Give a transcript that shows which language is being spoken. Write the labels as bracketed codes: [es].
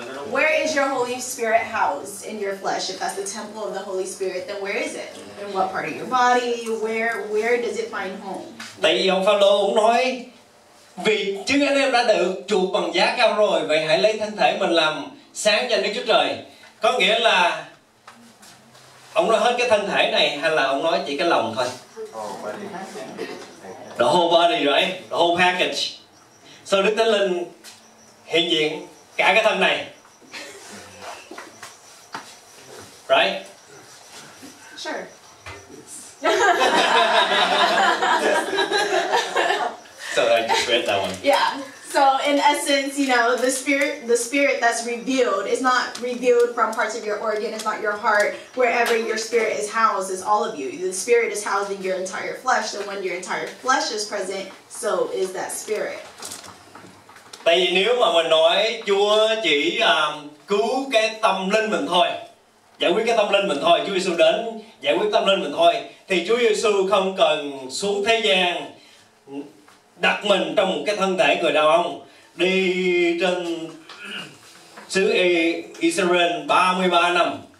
[en] Where is your Holy Spirit housed in your flesh? If that's the temple of the Holy Spirit, then where is it? In what part of your body? Where does it find home? [vi] Tại vì ông Phaolô cũng nói, vì chính anh em đã được chuộc bằng giá cao rồi, vậy hãy lấy thân thể mình làm sáng cho Đức Chúa Trời. Có nghĩa là ông nói hết cái thân thể này, hay là ông nói chỉ cái lòng thôi? [en] The whole body, right? The whole package. [vi] Sau Đức Thánh Linh hiện diện cả cái thân này. [en] Right? Sure. So I just read that one. Yeah. So in essence, you know, the spirit that's revealed is not revealed from parts of your organ, it's not your heart. Wherever your spirit is housed is all of you. The spirit is housed in your entire flesh. So when your entire flesh is present, so is that spirit. [vi] Tại vì nếu mà mình nói Chúa chỉ cứu cái tâm linh mình thôi, giải quyết cái tâm linh mình thôi, Chúa Giêsu đến giải quyết tâm linh mình thôi, thì Chúa Giêsu không cần xuống thế gian đặt mình trong một cái thân thể người đàn ông đi trên xứ Israel 33 năm.